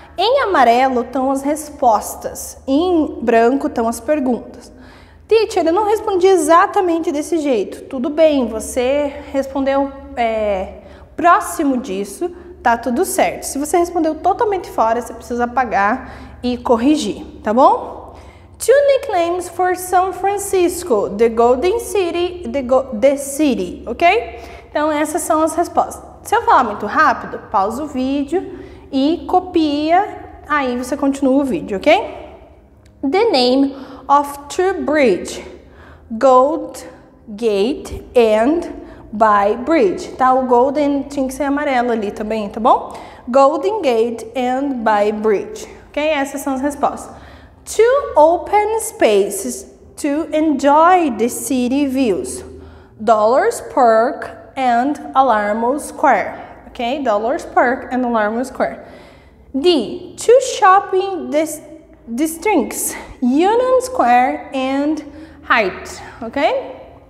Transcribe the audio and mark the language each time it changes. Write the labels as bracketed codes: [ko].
[pt] Em amarelo estão as respostas, em branco estão as perguntas. Teacher, eu não respondi exatamente desse jeito. Tudo bem, você respondeu próximo disso, tá tudo certo. Se você respondeu totalmente fora, você precisa apagar e corrigir, tá bom? [en] Two nicknames for San Francisco, the Golden City, the City, ok? [pt] Então essas são as respostas. Se eu falar muito rápido, pausa o vídeo e copia, aí você continua o vídeo, ok? [en] The name of two bridge, Gold Gate and By Bridge. [pt] Tá, o Golden tinha que ser amarelo ali também, tá bom? Golden Gate and By Bridge, ok? Essas são as respostas. [en] Two open spaces to enjoy the city views, Dollars Park and Alamo Square. Ok? Dollars Park and Alamo Square. D. Two shopping districts, Union Square and Height. Ok?